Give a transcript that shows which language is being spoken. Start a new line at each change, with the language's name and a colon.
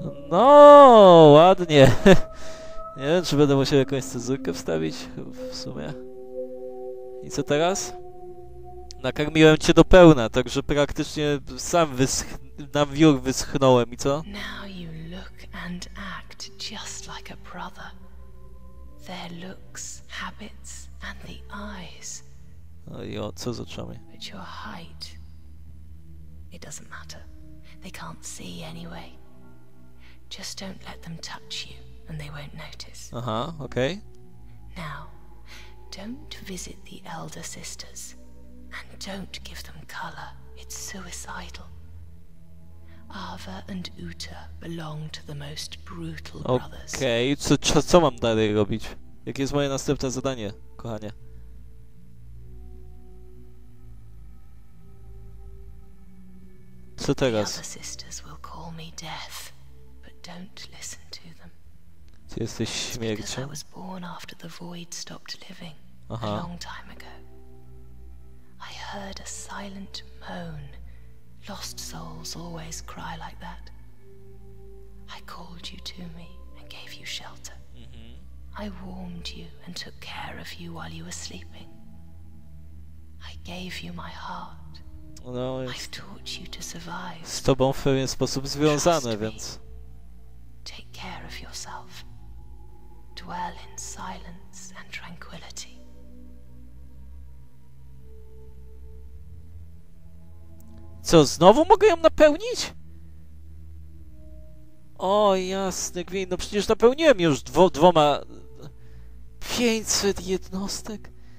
Polish: No, ładnie. Nie wiem, czy będę musiał jakąś cezurkę wstawić w sumie. I co teraz? Nakarmiłem cię do pełna, także praktycznie sam na wiór wyschnąłem, i co?
English: Now you look and act just like a brother. Their looks, habits and the eyes.
Polish: Oj, o, co z oczami?
English: But your height. It doesn't matter. They can't see anyway. Just don't let them touch you and they won't notice.
Polish: Aha, okej.
English: Okay. Now, don't visit the elder sisters. And don't give them color. It's suicidal. Ava and Uta belong to the most brutal brothers.
Polish: Okej, okay. co mam dalej robić? Jakie jest moje następne zadanie, kochanie? Co teraz?
English: The sisters will call me death, but don't listen to them.
Polish: Ty jesteś śmiercią.
English: I was born after the void stopped living. Aha. A long time ago. I heard a silent moan. Lost souls always cry like that. I called you to me and gave you shelter. I warmed you and took care of you while you were sleeping. I gave you my heart. No, I've taught you to survive.
Polish: Z tobą w pewien sposób związane, więc.
English: Take care of yourself. Dwell in silence and tranquility.
Polish: Co, znowu mogę ją napełnić? O, jasny gwint. No przecież napełniłem już dwoma... 500 jednostek?